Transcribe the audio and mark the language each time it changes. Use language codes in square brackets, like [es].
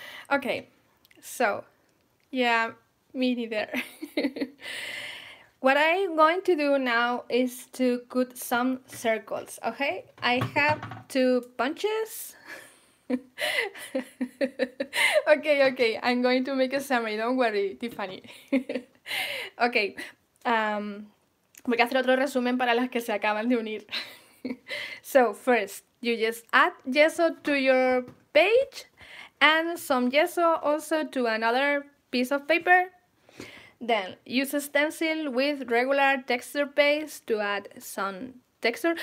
[en] Okay. So, yeah, me neither. What I'm going to do now is to cut some circles, okay? I have two punches. Okay, okay, I'm going to make a summary, don't worry, Tiffany. [es] Okay, voy a hacer otro resumen para las que se acaban de unir. [en] So, first, you just add gesso to your page and some gesso also to another piece of paper. Then, use a stencil with regular texture paste to add some texture.